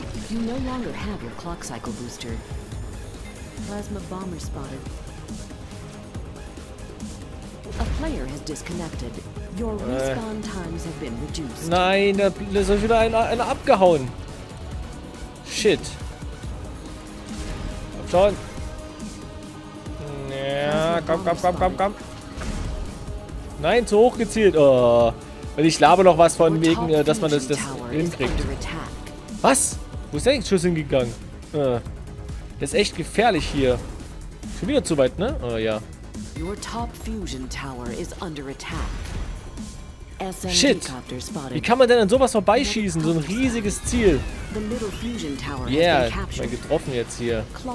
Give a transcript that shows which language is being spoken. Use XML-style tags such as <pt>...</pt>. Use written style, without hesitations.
<en>You no longer have your clock cycle booster. Plasma bomber spotted. A player has disconnected. Your respawn times have been reduced.</en> <de>Nein, da ist wieder einer abgehauen. Shit. Komm schon. Ja, komm. Nein, zu hoch gezielt. Und ich labe noch was von wegen, dass man das hinkriegt. Was? Wo ist der Schuss hingegangen? Der ist echt gefährlich hier. Schon wieder zu weit, ne? Ja.</de> <en>Your top fusion tower is under attack.</en> <de>Shit! Wie kann man denn an sowas vorbeischießen? So ein riesiges Ziel. Yeah, ich bin getroffen jetzt hier.</de>